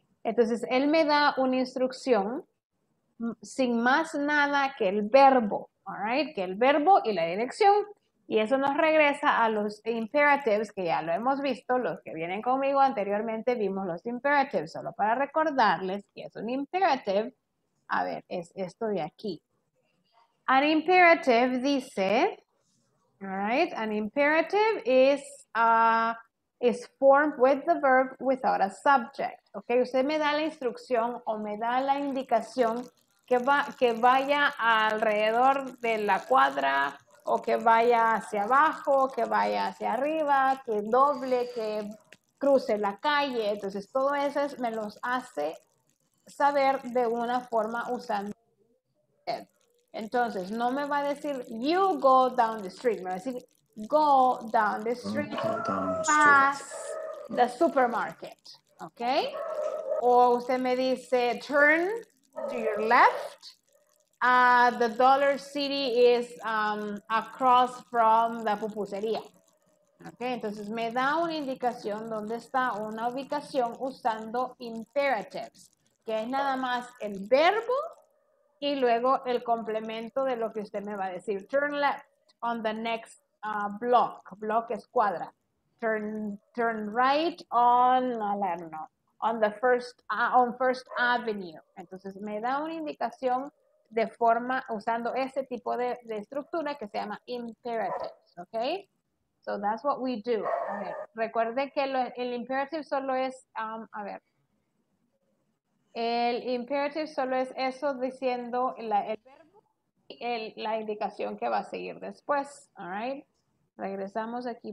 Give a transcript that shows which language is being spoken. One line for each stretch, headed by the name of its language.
Spanish: Entonces él me da una instrucción sin más nada que el verbo.
English: All right.
Spanish: Que el verbo y la dirección. Y eso nos regresa a los imperatives, que ya lo hemos visto, los que vienen conmigo anteriormente vimos los imperatives, solo para recordarles que es un imperative. A ver, es esto de aquí.
English: An imperative
Spanish: dice,
English: right, an imperative is formed with the verb without a subject.
Spanish: Okay, usted me da la instrucción o me da la indicación que vaya alrededor de la cuadra, o que vaya hacia abajo, que vaya hacia arriba, que doble, que cruce la calle. Entonces, todo eso es, me los hace saber de una forma usando. Entonces, no me va a decir,
English: you go down the street.
Spanish: Me va a decir,
English: go down the street, past the supermarket. ¿Ok?
Spanish: O usted me dice,
English: turn to your left. The Dollar City is across from the pupusería.
Spanish: Okay, entonces me da una indicación dónde está una ubicación usando imperatives, que es nada más el verbo y luego el complemento de lo que usted me va a decir.
English: Turn left on the next block.
Spanish: Block es cuadra.
English: Turn right on, I don't know, on First Avenue.
Spanish: Entonces me da una indicación de forma, usando ese tipo de estructura que se llama imperatives, ¿ok?
English: So that's what we do.
Spanish: A ver, recuerde que el imperative solo es, a ver, El imperative solo es eso diciendo el verbo y la indicación que va a seguir después.
English: All right.
Spanish: Regresamos aquí.